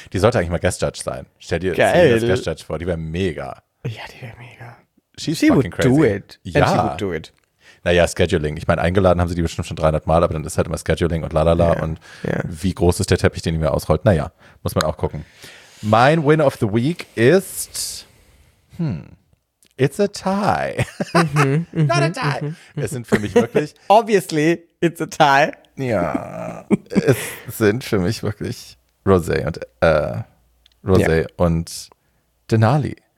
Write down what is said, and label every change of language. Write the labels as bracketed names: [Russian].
[German] Die sollte eigentlich mal Guest Judge sein. Stell dir als Guest Judge vor, die wäre mega. Ja, die wäre mega. [English] She's she fucking crazy. Do it. [German] Ja. [English] And she would do it. [German] Naja, Scheduling. Ich meine, eingeladen haben sie die bestimmt schon 300 Mal, aber dann ist halt immer Scheduling und lalala. Yeah. Und yeah, wie groß ist der Teppich, den ich mir ausrollt? Naja, muss man auch gucken. Mein Win of the Week ist, [English] it's a tie. Mm-hmm, not a tie. Mm-hmm. [German] Es sind für mich wirklich, [English] obviously, it's a tie. [German] Ja, es sind für mich wirklich Rosé yeah, und Denali.